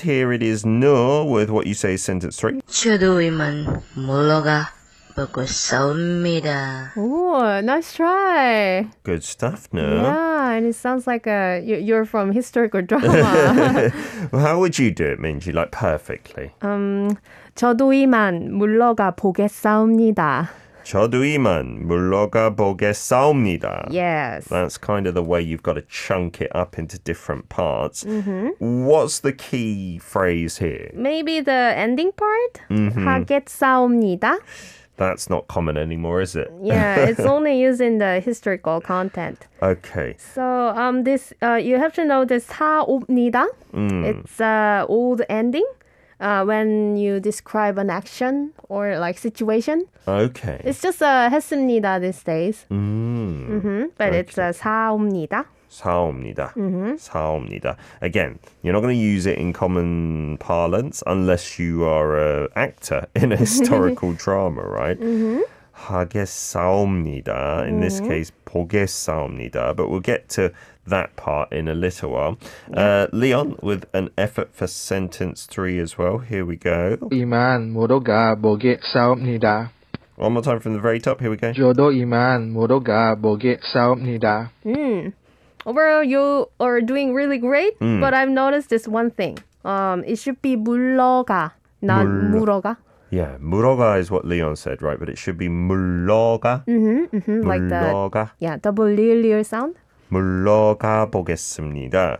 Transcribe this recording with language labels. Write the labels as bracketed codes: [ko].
[en] Here it is, Noor, with what you say is sentence three. [ko] 최도위만 몰러가 보겠사옵니다. [en] Oh, nice try. Good stuff, no? Yeah, and it sounds like you're from historical drama. Well, how would you do it, Minji? Like, perfectly? [ko] 저도 이만 물러가 보겠사옵니다. 저도 이만 물러가 보겠사옵니다. [en] Yes. That's kind of the way you've got to chunk it up into different parts. Mm-hmm. What's the key phrase here? Maybe the ending part? Mm-hmm. [ko] 하겠사옵니다. [en] That's not common anymore, is it? Yeah, it's only used in the historical content. Okay. So this you have to know this 하옵니다. It's an old ending. When you describe an action or like situation. Okay. It's just 했습니다 these days. But okay. It's 사옵니다. [ko] 사옵니다. Mm-hmm. 사옵니다. [en] Again, you're not going to use it in common parlance unless you are an actor in a historical drama, right? Mm-hmm. [ko] 하겠사옵니다. [en] In mm-hmm. this case, [ko] 보겠사옵니다. [en] But we'll get to that part in a little while. Leon, with an effort for sentence three as well. Here we go. [ko] 이만 물어가 보겠사옵니다. [en] One more time from the very top. Here we go. [ko] 저도 이만 물어가 보겠사옵니다. [en] Overall, you are doing really great, but I've noticed this one thing. It should be 물러가, not 물어가. Yeah, 물어가 is what Leon said, right? But it should be 물러가. Like the double-lear sound. [ko] 물러가 보겠습니다.